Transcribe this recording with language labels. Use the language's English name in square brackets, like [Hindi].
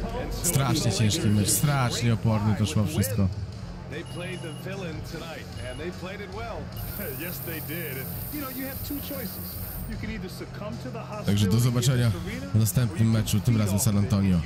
[Polish] Strasznie ciężki mecz, strasznie oporny to szło wszystko. [English] They played the villain tonight and they played it well. Yes, they did. You know, you have two choices. You can either succumb to the hostility. [Polish] Także do zobaczenia w następnym meczu, tym razem San Antonio.